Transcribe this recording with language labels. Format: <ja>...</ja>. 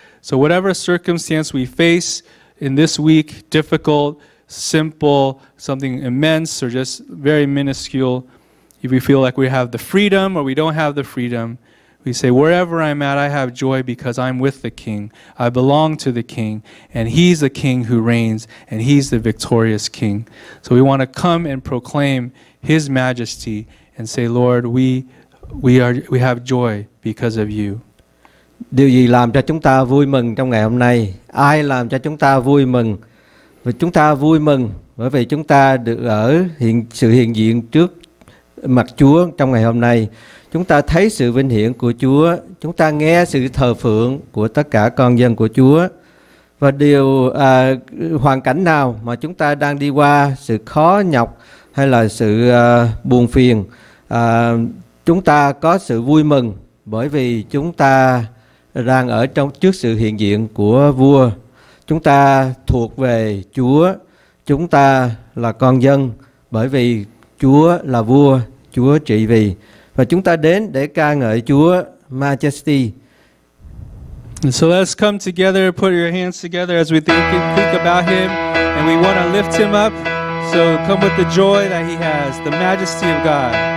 <en>So whatever circumstance we face in this week, difficult, simple, something immense, or just very minuscule, if we feel like we have the freedom or we don't have the freedom, we say, wherever I'm at, I have joy because I'm with the King. I belong to the King, and he's the King who reigns, and he's the victorious King. So we want to come and proclaim his majesty and say, Lord, we have joy because of you.</en> <vi>Điều gì làm cho chúng ta vui mừng trong ngày hôm nay? Ai làm cho chúng ta vui mừng? Và chúng ta vui mừng bởi vì chúng ta được ở sự hiện diện trước mặt Chúa trong ngày hôm nay. Chúng ta thấy sự vinh hiển của Chúa, chúng ta nghe sự thờ phượng của tất cả con dân của Chúa. Và điều hoàn cảnh nào mà chúng ta đang đi qua, sự khó nhọc hay là sự buồn phiền, chúng ta có sự vui mừng bởi vì chúng ta đang ở trong trước sự hiện diện của vua. Chúng ta thuộc về Chúa, chúng ta là con dân bởi vì Chúa là vua, Chúa trị vì, và chúng ta đến để ca ngợi Chúa Majesty.</vi> <en>And so let's come together, put your hands together as we think about him, and we want to lift him up. So come with the joy that he has, the majesty of God.</en>